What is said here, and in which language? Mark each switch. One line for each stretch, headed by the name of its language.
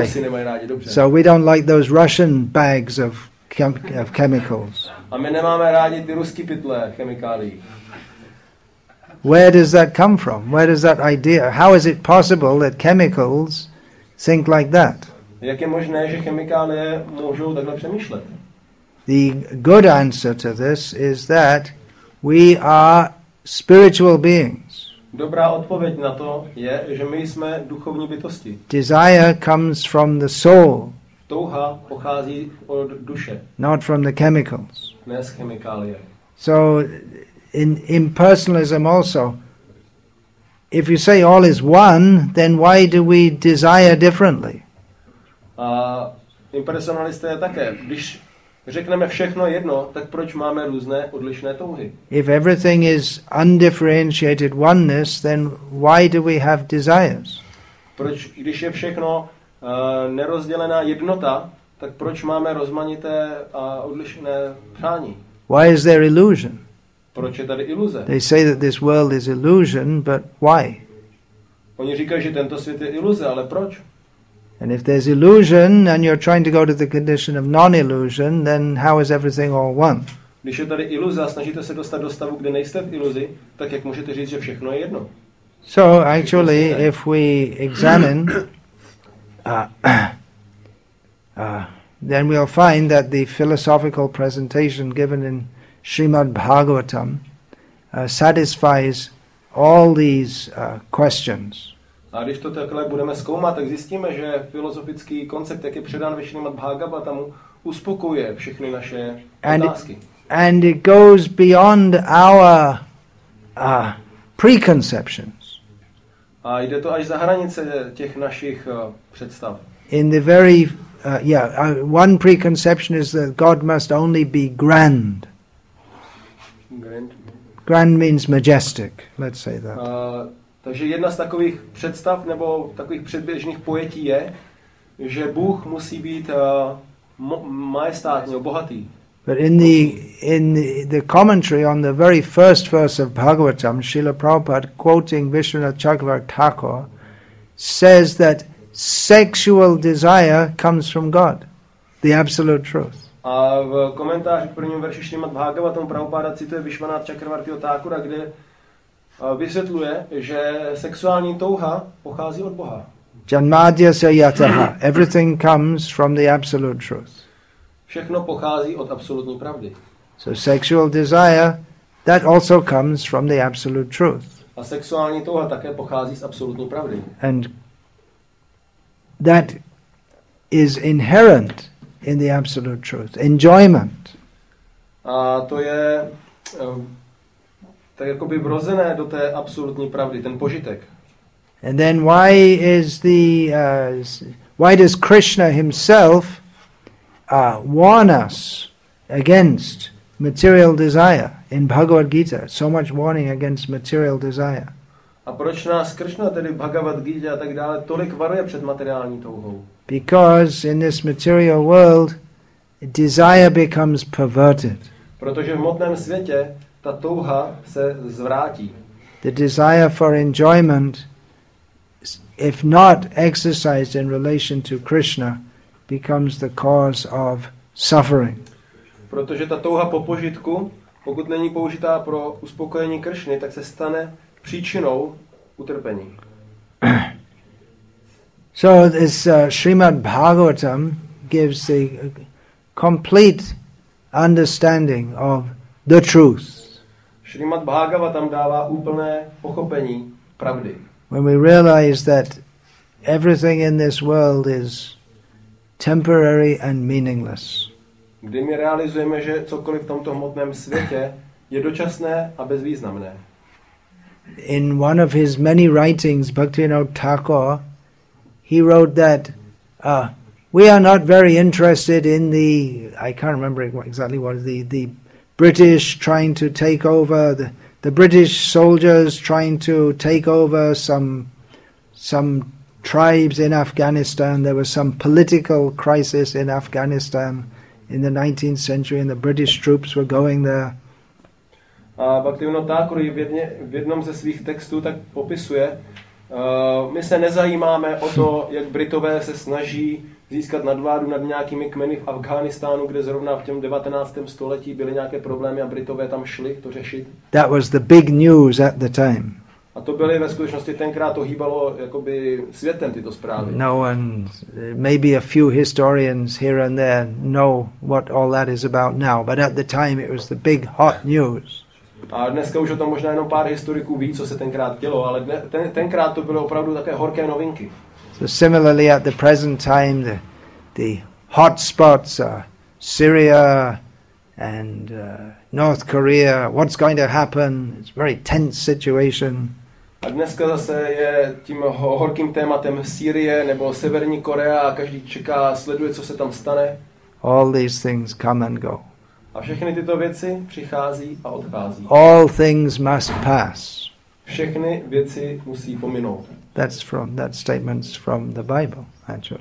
Czech: Rusy nemají rádi, dobře.
English: So we don't like those Russian bags of chemicals.
Czech: A my nemáme rádi ty ruský pytle chemikálií.
English: Where does that come from? Where does that idea? How is it possible that chemicals think like that?
Czech: Jak je možné, že chemikálie můžou takhle přemýšlet?
English: The good answer to this is that we are spiritual beings.
Czech: Dobrá odpověď na to je, že my jsme duchovní bytosti.
English: Desire comes from the soul.
Czech: Touha pochází od duše.
English: Not from the chemicals.
Czech: Ne z chemikálie.
English: So in impersonalism also, if you say all is one, then why do we desire differently?
Czech: A impersonalisté také, když řekneme všechno jedno, tak proč máme různé odlišné touhy?
English: If everything is undifferentiated oneness, then why do we have desires?
Czech: Proč, když je všechno nerozdělená jednota, tak proč máme rozmanité a odlišné přání?
English: Why is there illusion?
Czech: Proč je tady iluze?
English: They say that this world is illusion, but why?
Czech: Oni říkají, že tento svět je iluze, ale proč?
English: And if there's illusion and you're trying to go to the condition of non-illusion, then how is everything all one?
Czech: Když je tady iluze a snažíte se dostat do stavu, kde nejste v iluzi, tak jak můžete říct, že všechno je jedno?
English: So actually, if we examine, then we'll find that the philosophical presentation given in Srimad Bhagavatam satisfies all these questions.
Czech: A když to takhle budeme zkoumat, tak zjistíme, že filozofický koncept, jak je předán ve Srimad Bhagavatamu, uspokuje všechny naše otázky.
English: And it goes beyond our preconceptions.
Czech: A jde to až za hranice těch našich představ.
English: In the very one preconception is that God must only be grand. Grand means majestic, let's say that.
Czech: Takže jedna z takových představ nebo takových předběžných pojetí je, že Bůh musí být majestátní, bohatý.
English: But in the commentary on the very first verse of Bhagavatam, Srila Prabhupada, quoting Vishwanath Chakravarti Thakur, says that sexual desire comes from God, the absolute truth.
Czech: A v komentáři k prvním verši Srimad Bhagavatam Prabhupada cituje Vishwanath Chakravartiho Thakura, kde vysvětluje, že sexuální touha pochází od Boha.
Sanskrit: Janmadyasya yataha.
English: Everything comes from the absolute truth.
Czech: Všechno pochází od absolutní pravdy.
English: So sexual desire, that also comes from the absolute truth.
Czech: A sexuální touha také pochází z absolutní pravdy.
English: And that is inherent in the absolute truth, enjoyment.
Czech: A to je tak jakoby vrozené do té absolutní pravdy, ten požitek.
English: And then why does Krishna himself warn us against material desire in Bhagavad Gita? So much warning against material desire.
Czech: A proč nás Kršna, tedy Bhagavad Gita a tak dále, tolik varuje před materiální touhou?
English: Because in this material world, desire becomes perverted.
Czech: Protože v hmotném světě ta touha se zvrátí.
English: The desire for enjoyment, if not exercised in relation to Krishna, becomes the cause of suffering.
Czech: Protože ta touha po požitku, pokud není použitá pro uspokojení Kršny, tak se stane příčinou utrpení.
English: So this Srimad Bhagavatam gives the complete understanding of the truth.
Czech: Srimad Bhagavatam dává úplné pochopení pravdy.
English: When we realize that everything in this world is temporary and meaningless.
Czech: Kdy my realizujeme, že cokoliv v tomto hmotném světě je dočasné a bezvýznamné.
English: In one of his many writings, Bhaktivinoda Thakur, he wrote that we are not very interested in the, I can't remember exactly what, the British trying to take over, the British soldiers trying to take over some tribes in Afghanistan. There was some political crisis in Afghanistan in the 19th century and the British troops were going there.
Czech: A Bhaktivinoda Thakur v jednom ze svých textů tak popisuje, my se nezajímáme o to, jak Britové se snaží získat nadvládu nad nějakými kmeny v Afghánistánu, kde zrovna v těm 19. století byly nějaké problémy a Britové tam šli to řešit.
English: That was the big news at the time.
Czech: A to byly ve skutečnosti tenkrát to hýbalo jakoby světem tyto zprávy.
English: No one, maybe a few historians here and there know what all that is about now, but at the time it was the big hot news.
Czech: A dneska už o tom možná jenom pár historiků ví, co se tenkrát dělo, ale tenkrát to bylo opravdu také horké novinky.
English: So similarly at the present time the hot spots are Syria and North Korea. What's going to happen? It's a very tense situation.
Czech: A dneska zase je tím horkým tématem Sýrie nebo Severní Korea a každý čeká, sleduje, co se tam stane.
English: All these things come and go.
Czech: A všechny tyto věci přichází a odchází.
English: All things must pass.
Czech: Všechny věci musí pominout.
English: That statement's from the Bible, actually.